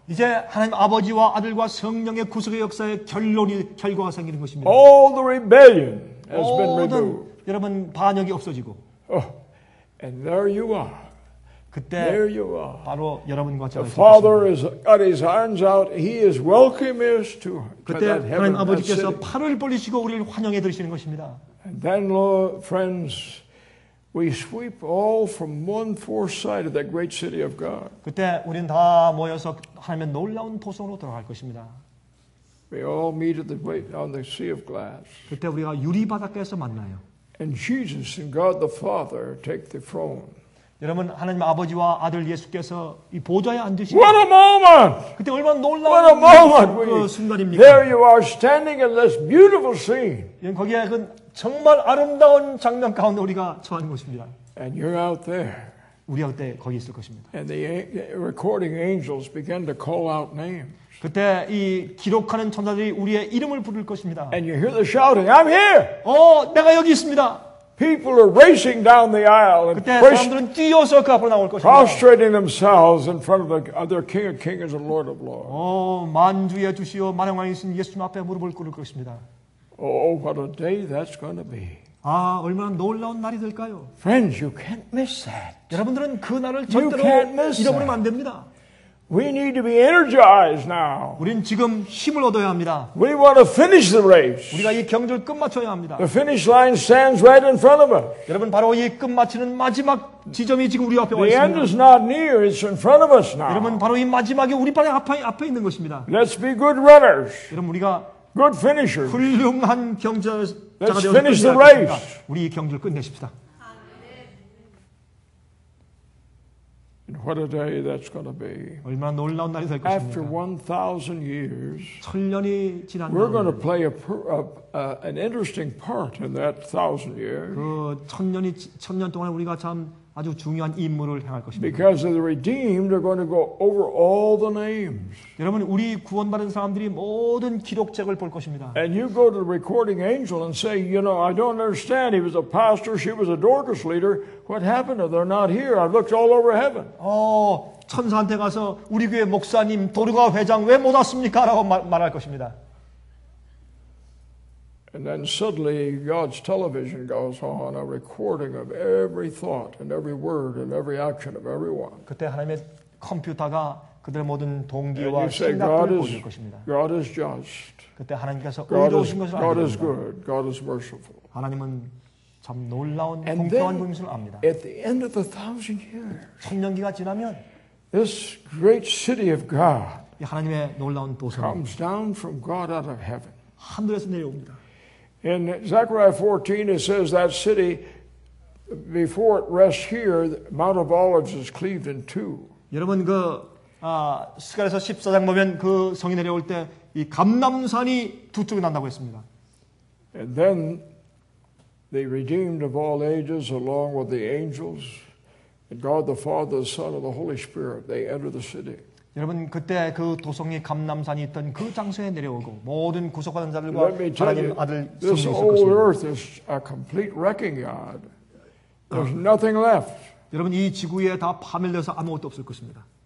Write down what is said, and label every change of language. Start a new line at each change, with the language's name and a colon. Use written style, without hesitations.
Korean: 이제 하나님 아버지와 아들과 성령의 구속의 역사의 결론이 결과가 생기는 것입니다.
English: All the rebellion has been removed.
Korean: 여러분 반역이 없어지고.
English: And there you are. There you are.
Korean: 바로 여러분과 제가
English: The Father is got his arms out. He is welcoming us to that heaven.
Korean: 그때 하나님 아버지께서 팔을 벌리시고 우리를 환영해 드리시는 것입니다.
English: And then, Lord, friends, We sweep all from one foresight of that great city of God.
Korean: 그때 우리는 다 모여서 하나님의 놀라운 보성으로 들어갈 것입니다.
English: We all meet at the on the sea of glass.
Korean: 그때 우리가 유리 바닥에서 만나요.
English: And Jesus and God the Father take the throne.
Korean: 여러분 하나님 아버지와 아들 예수께서 이 보좌에 앉으시고
English: What a moment!
Korean: 그때 얼마나 놀라운 그 순간입니까?
English: There you are standing in this beautiful scene.
Korean: 거기에 그 정말 아름다운 장면 가운데 우리가 처한 것입니다.
English: And you're out there.
Korean: 우리 그때 거기 있을 것입니다.
English: And the recording angels began to call out names.
Korean: 그때 이 기록하는 천사들이 우리의 이름을 부를 것입니다.
English: And you hear the shouting, I'm here.
Korean: 내가 여기 있습니다.
English: People are racing down the aisle.
Korean: 그때 사람들은 뛰어서 그 앞으로 나올 것입니다.
English: Prostrating themselves in front of their King of Kings and Lord of Lords.
Korean: 만주의 주시오 만왕이신 예수님 앞에 무릎을 꿇을 것입니다.
English: Oh, what a day that's going to be.
Korean: 얼마나 놀라운 날이 될까요?
English: Friends, you can't miss that.
Korean: 여러분들은 그 날을 절대로 잃어버리면 안 됩니다.
English: We need to be energized now.
Korean: 우린 지금 힘을 얻어야 합니다.
English: We want to finish the race.
Korean: 우리가 이 경주를 끝마쳐야 합니다.
English: The finish line stands right in front of us.
Korean: 여러분 바로 이 끝마치는 마지막 지점이 지금 우리 앞에 와 있습니다.
English: The end is not near. It's in front of us now.
Korean: 여러분 바로 이 마지막이 우리 바로 앞에 있는 것입니다.
English: Let's be good runners.
Korean: 여러분 우리가
English: good finishers.
Korean: 훌륭한 경주자가 되어
English: Let's finish the race.
Korean: 우리 이 경주를 끝내십시다.
English: What a day that's going to be.
Korean: 얼마나 놀라운 날이 될 것입니까?
English: After 1,000 years,
Korean: 천년이 지난
English: we're going to play an interesting part in that 1,000 years.
Korean: 그 천년이 천년 동안 우리가 참 아주 중요한 임무를 행할 것입니다.
English: Because of the redeemed, are going to go over all the names.
Korean: 여러분, 우리 구원받은 사람들이 모든 기록책을 볼 것입니다.
English: And you go to the recording angel and say, you know, I don't understand. He was a pastor. She was a Dorcas leader. What happened? They're not here. I looked all over heaven.
Korean: 천사한테 가서 우리 교회 목사님 도르가 회장 왜 못 왔습니까?라고 말할 것입니다.
English: And then suddenly God's television goes on, a recording of every thought and every word and every action of everyone.
Korean: 그때 하나님의 컴퓨터가 그들의 모든 동기와 생각들을 보실 것입니다.
English: God is just.
Korean: 그때 하나님께서 의로우신 것을
English: God is good. God is merciful.
Korean: 하나님은 참 놀라운 공평한 분임을 압니다.
English: At the end of the 1,000 years,
Korean: 천년기가 지나면
English: this great city of God
Korean: 이 하나님의 놀라운 도성
English: comes down from God out of heaven.
Korean: 하늘에서 내려옵니다.
English: In Zechariah 14, it says that city, before it rests here, Mount of Olives is cleaved in two.
Korean: 여러분 그 스가랴서 14장 보면 그 성이 내려올 때 이 감람산이 두 쪽이 난다고 했습니다.
English: And then the redeemed of all ages, along with the angels and God the Father, the Son, and the Holy Spirit, they enter the city.
Korean: 여러분 그때 그 도성이 감람산이 있던 그 장소에 내려오고 모든 구속받은 자들과 하나님 아들 성이 있을 것입니다. 여러분 이 지구에 다 파멸되어서 아무것도 없을 것입니다.